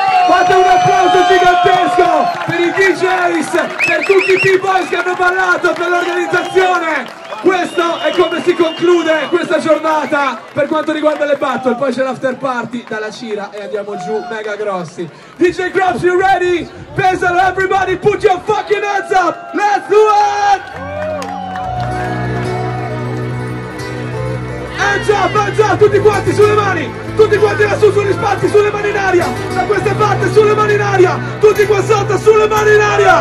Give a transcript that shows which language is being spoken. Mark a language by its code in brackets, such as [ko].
[it] Fate un applauso gigantesco per i DJs, per tutti i P-Boys che hanno ballato, per l'organizzazione. Questo è come si conclude questa giornata per quanto riguarda le battle. Poi c'è l'after party dalla Cira e andiamo giù mega grossi. [en] DJ Crops, you ready? Pesaro, everybody, put your fucking hands up. Let's do it! Hands up, [it] tutti quanti sulle mani! Tutti quanti lassù sugli spazi, sulle mani in aria! Da queste parti, sulle mani in aria! Tutti qua sotto, sulle mani in aria!